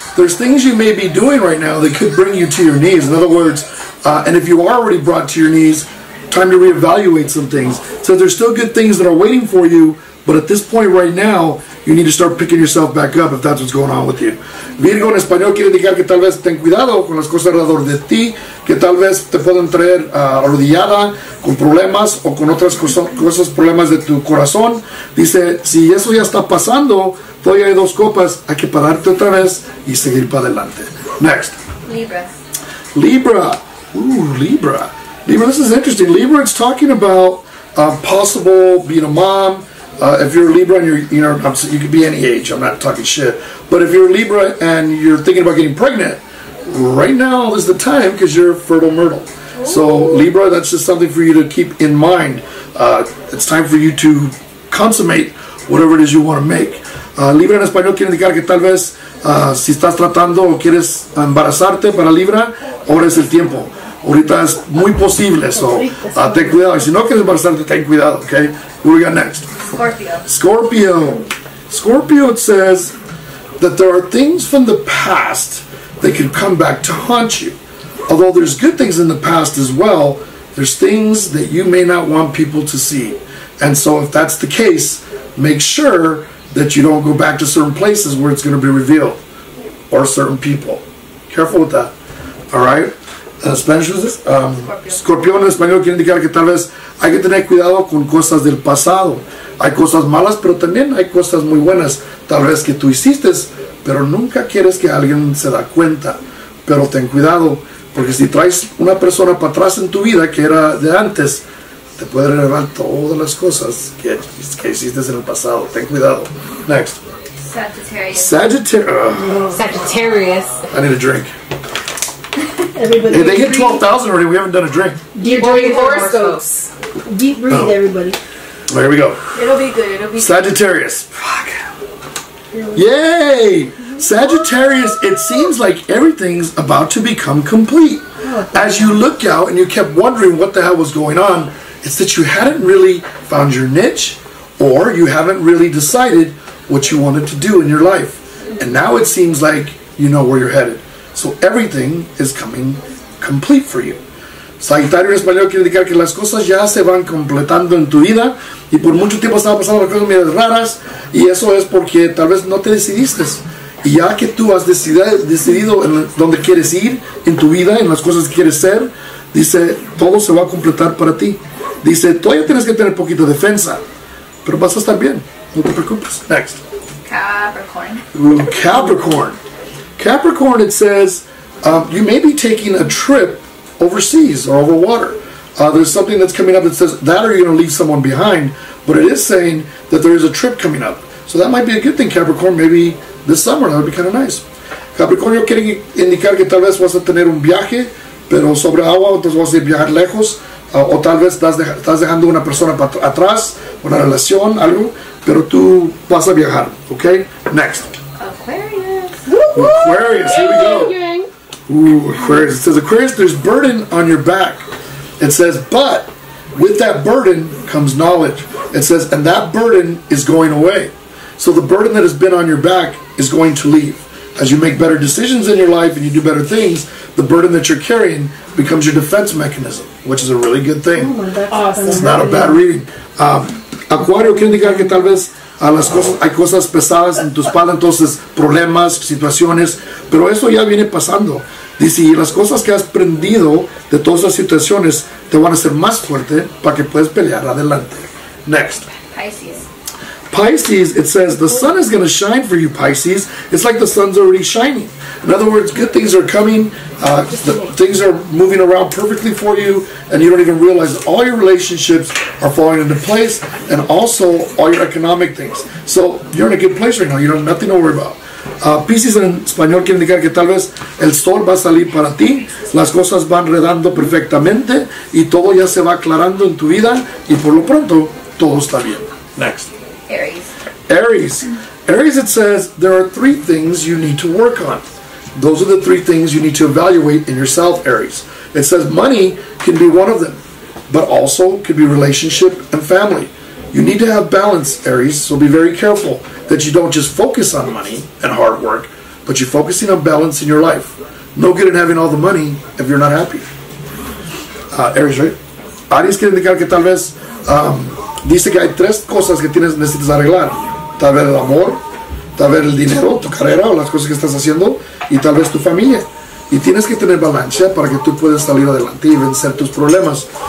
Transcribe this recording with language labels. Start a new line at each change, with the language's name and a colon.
English: There's things you may be doing right now that could bring you to your knees. In other words, and if you are already brought to your knees, time to reevaluate some things. So there's still good things that are waiting for you, but at this point right now, you need to start picking yourself back up if that's what's going on with you.
Spanish: Virgo en español quiere indicar que tal vez ten cuidado con las cosas alrededor de ti, que tal vez te pueden traer arrodillada con problemas o con otras cosas, problemas de tu corazón. Dice, si eso ya está pasando, todavía hay dos copas, hay que pararte otra vez y seguir para adelante.
English: Next. Libra. Libra. Ooh, Libra. Libra, this is interesting. Libra, it's talking about possible being a mom. If you're a Libra and you could be any age, I'm not talking shit. But if you're a Libra and you're thinking about getting pregnant, right now is the time because you're fertile myrtle. Ooh. So Libra, that's just something for you to keep in mind. It's time for you to consummate whatever it is you want to make.
Spanish: Libra en español quiere indicar que tal vez si estás tratando o quieres embarazarte para Libra, ahora es el tiempo. Ahorita es muy posible, so ten cuidado. Y si no quieres embarazarte, ten cuidado, okay?
English: What we got next? Scorpio. Scorpio, it says that there are things from the past that can come back to haunt you. Although there's good things in the past as well, there's things that you may not want people to see. And so if that's the case, make sure that you don't go back to certain places where it's going to be revealed or certain people. Careful with that. All right? Spanish, what is this?
Spanish: Scorpion en español quiere indicar que tal vez hay que tener cuidado con cosas del pasado. Hay cosas malas, pero también hay cosas muy buenas. Tal vez que tú hiciste, pero nunca quieres que alguien se da cuenta. Pero ten cuidado, porque si traes una persona para atrás en tu vida que era de antes, te puede revelar todas las cosas que hiciste en el pasado. Ten cuidado.
English: Next. Sagittarius. I need a drink. Everybody, they hit 12,000 already. We haven't done a drink. Deep breathing horoscopes. Deep breathe, everybody. Well, here we go. It'll be good. Sagittarius. Fuck. Yay! Sagittarius, it seems like everything's about to become complete. As you look out and you kept wondering what the hell was going on, it's that you hadn't really found your niche or you haven't really decided what you wanted to do in your life. And now it seems like you know where you're headed. So everything is coming complete for you.
Spanish: Sagitario en español quiere indicar que las cosas ya se van completando en tu vida y por mucho tiempo estaba pasando las cosas muy raras y eso es porque tal vez no te decidiste. Y ya que tú has decidido en dónde quieres ir en tu vida, en las cosas que quieres ser, dice, todo se va a completar para ti. Dice, todavía tienes que tener poquito de defensa, pero vas a estar bien, no te preocupes.
English: Next. Capricorn. Capricorn, it says, you may be taking a trip overseas or over water. There's something that's coming up that says that or you're going to leave someone behind, but it is saying that there is a trip coming up. So that might be a good thing, Capricorn, maybe this summer. That would be kind of nice.
Spanish: Capricornio quiere indicar que tal vez vas a tener un viaje, pero sobre agua, entonces vas a viajar lejos, o tal vez estás dejando una persona atrás, una relación, algo, pero tú vas a viajar, okay?
English: Next. Aquarius, here we go. Ooh, Aquarius. It says, Aquarius, there's burden on your back. It says, but with that burden comes knowledge. It says, and that burden is going away. So the burden that has been on your back is going to leave. As you make better decisions in your life and you do better things, the burden that you're carrying becomes your defense mechanism, which is a really good thing. Awesome. It's not a bad reading.
Spanish: Aquario, quiere indicar que tal vez las cosas, hay cosas pesadas en tu espalda, entonces problemas, situaciones, pero eso ya viene pasando. Dice, y las cosas que has aprendido de todas las situaciones te van a hacer más fuerte para que puedas pelear adelante.
English: Next. Pisces, it says, the sun is going to shine for you, Pisces. It's like the sun's already shining. In other words, good things are coming. Things are moving around perfectly for you, and you don't even realize that all your relationships are falling into place, and also all your economic things. So you're in a good place right now. You don't have nothing to worry about.
Spanish: Pisces en español quiere indicar que tal vez el sol va a salir para ti, las cosas van redando perfectamente, y todo ya se va aclarando en tu vida, y por lo pronto, todo está bien.
English: Next. Aries, it says, there are three things you need to work on. Those are the three things you need to evaluate in yourself, Aries. It says money can be one of them, but also could be relationship and family. You need to have balance, Aries, so be very careful that you don't just focus on money and hard work, but you're focusing on balance in your life. No good in having all the money if you're not happy. Aries, right?
Spanish: Aries quiere indicar que tal vez dice que hay tres cosas que tienes necesitas arreglar. Tal vez el amor, tal vez el dinero, tu carrera o las cosas que estás haciendo, y tal vez tu familia. Y tienes que tener balance para que tú puedas salir adelante y vencer tus problemas.